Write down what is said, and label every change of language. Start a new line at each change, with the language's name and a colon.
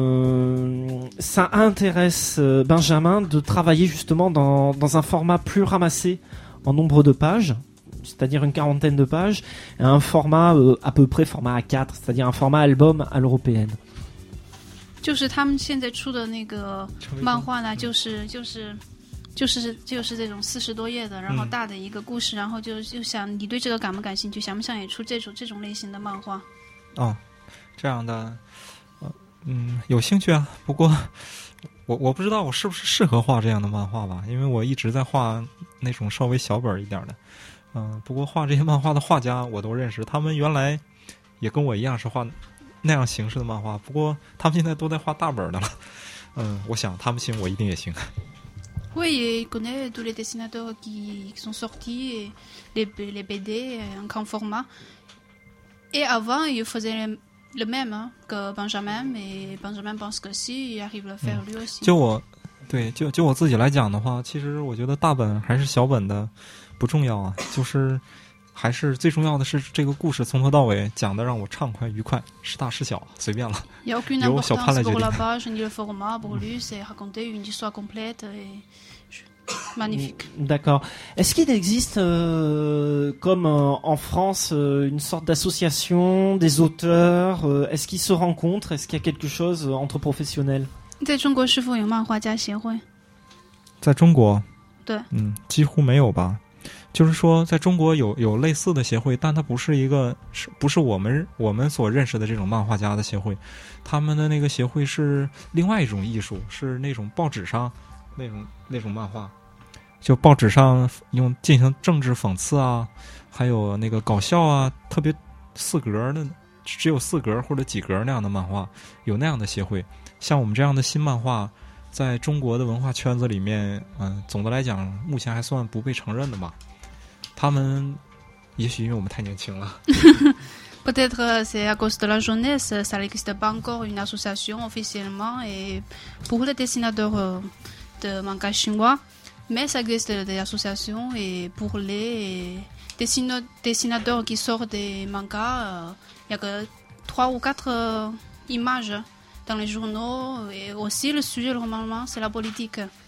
French: Est-ce que ça intéresse Benjamin de travailler justement dans un format plus ramassé en nombre de pages? C'est-à-dire une quarantaine de pages, et un format à peu près format A4, c'est-à-dire un format album à l'européenne.
Chinese: 就是他们现在出的那个漫画呢，就是这种40多页的，然后大的一个故事，然后就想你对这个感不感兴趣，想不想也出这种类型的漫画？哦，这样的，有兴趣啊。不过我不知道我是不是适合画这样的漫画吧，因为我一直在画那种稍微小本一点的。不过画这些漫画的画家我都认识，他们原来也跟我一样是画那样形式的漫画，不过他们现在都在画大本的了。我想他们行，我一定也行。
French: Oui, je connais tous les dessinateurs qui sont sortis les BD en grand format. Et avant, ils faisaient le même que Benjamin, et Benjamin pense que si, il arrive à faire lui aussi.
Chinese: 就我自己来讲的话，其实我觉得大本还是小本的不重要啊，就是还是最重要的是这个故事从头到尾讲的让我畅快愉快，是大是小随便了，由小潘来决定。
French: Pour la page, ni le format, pour lui, c'est raconter une histoire complète et magnifique. D'accord. Est-ce qu'il existe comme en France une sorte d'association des auteurs? Est-ce qu'ils se rencontrent? Est-ce qu'il y a quelque chose entre professionnels?
Chinese: 在中国是否有漫画家协会？在中国，对，几乎没有吧。就是说在中国有类似的协会，但它不是一个不是我们所认识的这种漫画家的协会，他们的那个协会是另外一种艺术，是那种报纸上那种漫画，就报纸上用进行政治讽刺啊，还有那个搞笑啊，特别四格的，只有四格或者几格那样的漫画，有那样的协会。像我们这样的新漫画在中国的文化圈子里面，总的来讲目前还算不被承认的嘛。他们也许因为我们太年轻了。
French: Peut-être c'est à cause de la jeunesse, ça n'existe pas encore une association officiellement et pour les dessinateurs de manga chinois, mais ça existe des associations et pour les dessinateurs qui sortent des mangas, il y a que 3 ou 4 images dans les journaux et aussi le sujet normalement c'est la politique.